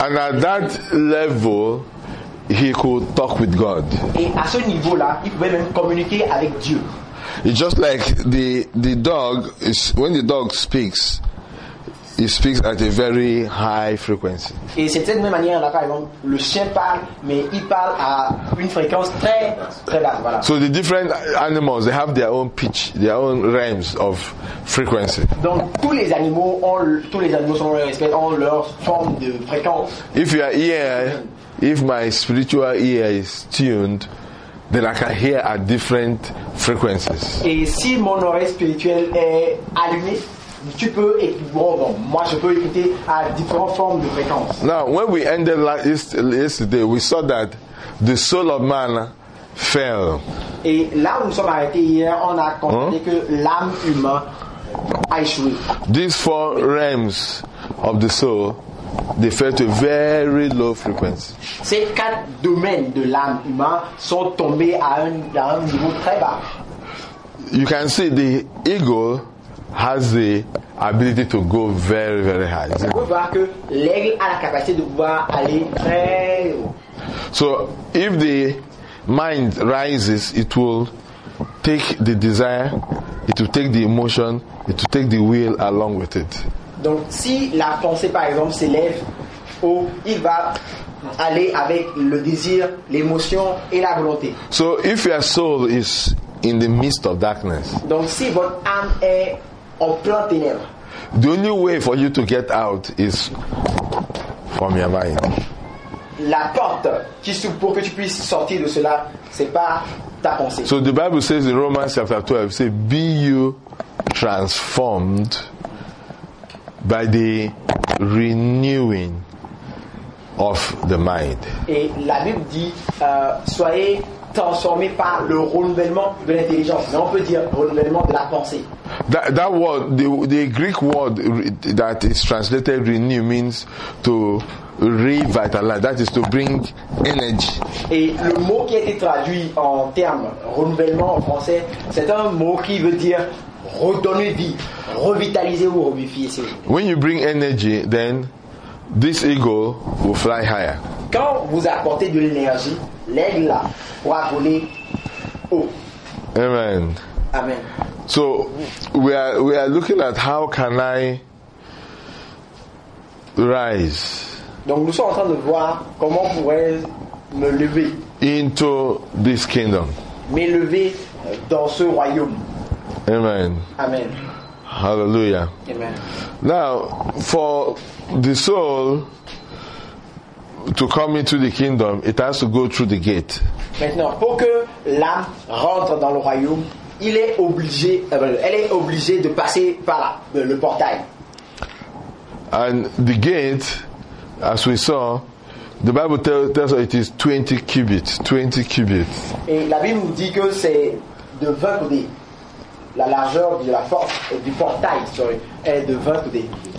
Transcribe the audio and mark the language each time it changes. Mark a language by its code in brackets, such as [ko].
[fr] Dans [en] and at that level, he could talk with God. [fr] Et à ce niveau-là, il pouvait même communiquer avec Dieu. [en] It's just like the dog is when the dog speaks. He speaks at a very high frequency. [fr] Et c'est de la même manière là, par exemple, le chien parle, mais il parle à une fréquence très très basse. Voilà. [en] So the different animals, they have their own pitch, their own realms of frequency. [fr] Donc tous les animaux sont respectés, ont leur forme de fréquence. [en] If your ear, if my spiritual ear is tuned, then I can hear at different frequencies. [fr] Et si mon oreille spirituelle est allumée. Tu peux écouter, bon, moi je peux écouter à différentes formes de fréquences. [en] Now, when we ended yesterday, we saw that the soul of man fell. [fr] Et là où nous sommes arrêtés hier, on a constaté que l'âme humaine a échoué. [en] These four realms of the soul, they fell to very low frequency. [fr] Ces quatre domaines de l'âme humaine sont tombés à un niveau très bas. [en] You can see the ego has the ability to go very, very high. [fr] On peut voir que l'aigle a la capacité de pouvoir aller très haut. [en] So, if the mind rises, it will take the desire, it will take the emotion, it will take the will along with it. [fr] Donc, si la pensée, par exemple, s'élève haut, il va aller avec le désir, l'émotion et la volonté. [en] So, if your soul is in the midst of darkness, [fr] donc, si votre âme est en plein ténèbres. [en] The only way for you to get out is from your mind. [fr] La porte qui s'ouvre pour que tu puisses sortir de cela, c'est pas ta pensée. [en] So the Bible says in Romans chapter 12, say, be you transformed by the renewing of the mind. [fr] Et la Bible dit, soyez transformé par le renouvellement de l'intelligence. Mais on peut dire renouvellement de la pensée. [en] That word, the Greek word that is translated renew means to revitalize. That is to bring energy. [fr] Et le mot qui a été traduit en termes renouvellement en français, c'est un mot qui veut dire redonner vie, revitaliser ou revivifier. [en] When you bring energy, then this ego will fly higher. [fr] Quand vous apportez de l'énergie, l'aigle va voler haut. [en] Amen. [fr] Amen. [en] So we are looking at how can I rise. [fr] Donc nous sommes en train de voir comment pourrais-je me lever [en] into this kingdom. [fr] M'élever dans ce royaume. [en] Amen. [fr] Amen. [en] Hallelujah. [fr] Amen. [en] Now, for the soul to come into the kingdom, it has to go through the gate. [fr] Maintenant, pour que l'âme rentre dans le royaume, il est obligé, elle est obligée de passer par là, le portail. [en] And the gate, as we saw, the Bible tells us it is 20 cubits. 20 cubits. [fr] Et la Bible nous dit que c'est de 20 coudées. La largeur de la force du portail, est de 20 coudées.